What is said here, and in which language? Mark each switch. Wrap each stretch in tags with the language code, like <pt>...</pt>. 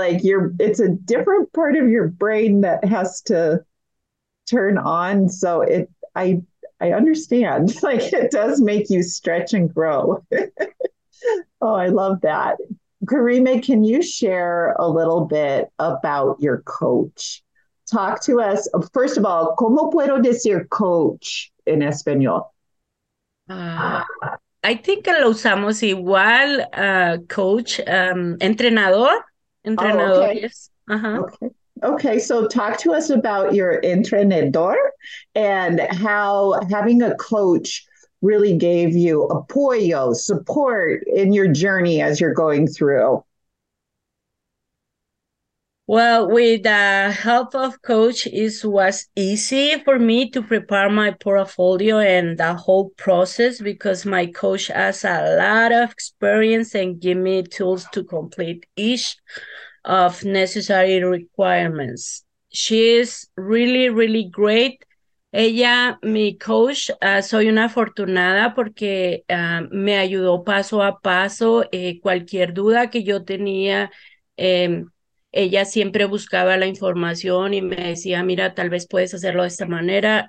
<en>Like you're, it's a different part of your brain that has to turn on. So it, I understand. Like it does make you stretch and grow. Oh, I love that. Carime, can you share a little bit about your coach? Talk to us.</en> <es>First of all, ¿cómo puedo decir coach en español? I think lo usamos igual, coach, entrenador, entrenador, yes.</es> <en>Okay, so talk to us about your entrenador and how having a coach really gave you apoyo, support in your journey as you're going through. Well, with the help of coach, it was easy for me to prepare my portfolio and the whole process because my coach has a lot of experience and give me tools to complete each of necessary requirements. She's really, really great.</en> <es>Ella, mi coach, soy una afortunada porque me ayudó paso a paso. Cualquier duda que yo tenía, ella siempre buscaba la información y me decía, mira, tal vez puedes hacerlo de esta manera.</es>